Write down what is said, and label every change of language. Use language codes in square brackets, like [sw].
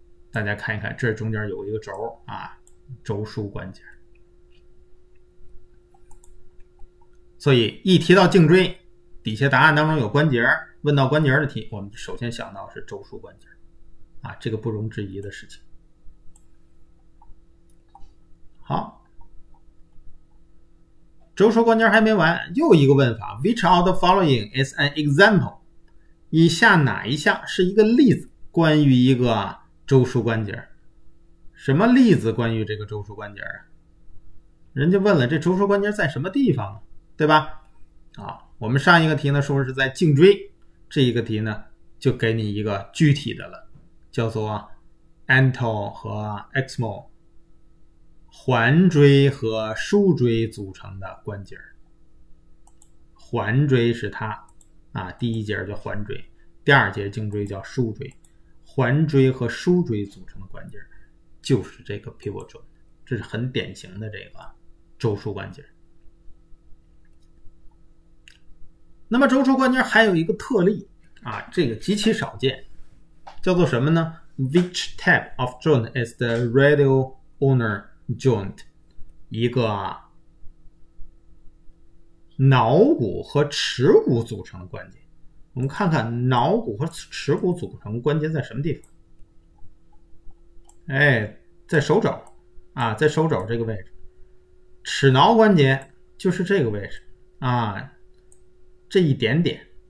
[zh] 大家看一看，这中间有一个轴啊。轴枢关节，所以一提到颈椎，底下答案当中有关节，问到关节的题，我们首先想到是轴枢关节，啊，这个不容置疑的事情。好，轴枢关节还没完，又一个问法， [en] Which of the following is an example？ [zh] 以下哪一项是一个例子，关于一个轴枢关节？什么例子关于这个轴枢关节啊？人家问了，这轴枢关节在什么地方啊？对吧？啊，我们上一个题呢说是在颈椎，这一个题呢就给你一个具体的了，叫做 Antle 和 Ecmo 环锥和梳锥组成的关节。环锥是它啊，第一节叫环锥，第二节颈椎叫梳锥。环锥和梳锥组成的关节就是这个 pivot joint，这是很典型的这个周梳关节。那么周梳关节还有一个特例啊，这个极其少见，叫做什么呢？ [en] Which type of joint is the radial ulnar joint？ [zh] 一个桡骨和尺骨组成的关节。我们看看桡骨和尺骨组成关节在什么地方？哎，在手肘啊，在手肘这个位置，尺桡关节就是这个位置啊，这一点点。